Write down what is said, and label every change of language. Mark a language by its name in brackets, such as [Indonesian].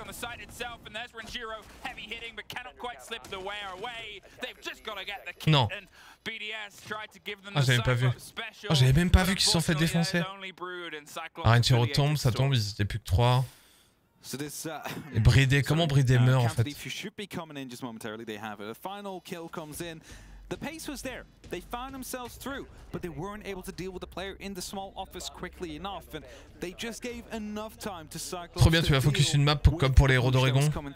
[English] On the site itself, and there's Renshiro heavy hitting, but cannot quite slip the way away. They've just got to get the kit. [French] Non. [English] And BDS tried to give them [French] the j'avais pas vu. Oh, j'avais même pas vu qu'ils se sont fait défoncer. Renshiro tombe, ça tombe, ils étaient plus que 3. Et Bridé, comment Bridé meurt en fait? [English] The pace was there. They found themselves through, but they weren't able to deal with the player in the small office quickly enough, and they just gave enough time to cycle. [French] Trop bien, tu vas focus une map pour, comme pour les héros d'Oregon.